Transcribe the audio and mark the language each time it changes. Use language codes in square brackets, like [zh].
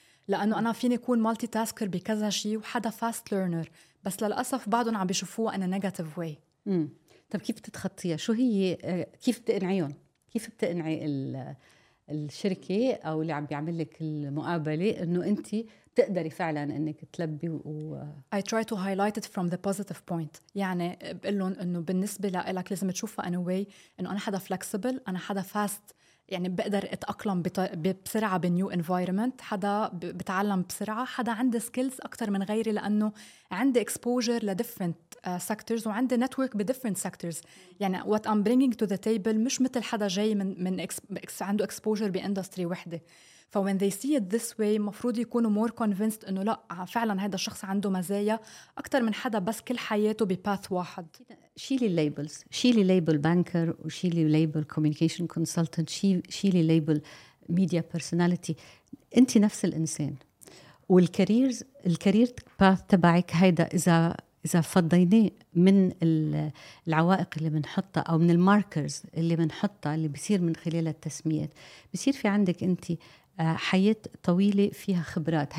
[ar] لانه انا فيني اكون مالتي تاسكر بكذا شيء وحدا فاست ليرنر، بس للأسف بعضهم عم بيشوفوها أنا نيجاتيف واي. طب كيف تتخطيها؟ شو هي كيف بتقنعيهم؟ كيف بتقنعي الشركة أو اللي عم بيعمل لك المقابلة أنه أنت تقدري فعلاً أنك تلبي؟ [en] I try to highlight it from the positive point. [ar] يعني بقول لهم أنه بالنسبة لك لازم تشوفها أنا واي، أنه أنا حدا flexible، أنا حدا fast، يعني بقدر اتأقلم بسرعة بنيو انفايرمنت، حدا بتعلم بسرعة، حدا عنده سكيلز أكتر من غيري لأنه عندي اكسبوجر لديفرنت سكترز وعندي نتورك بديفرنت سكترز. يعني [en] what I'm bringing to the table [ar] مش مثل حدا جاي من عنده اكسبوجر باندستري وحدة. ف [en] when they see it this way [ar] مفروض يكونوا [en] more convinced [ar] إنه لا فعلا هذا الشخص عنده مزايا أكتر من حدا بس كل حياته بباث واحد. شيلي labels، شيلي label banker وشيلي label communication consultant، شيلي label media personality. أنت نفس الإنسان والكاريرز الكارير باث تبعك هذا إذا فضيناه من العوائق اللي بنحطها أو من الماركرز اللي بنحطها اللي بيصير من خلال التسميات، بيصير في عندك أنت حياة طويلة فيها خبرات.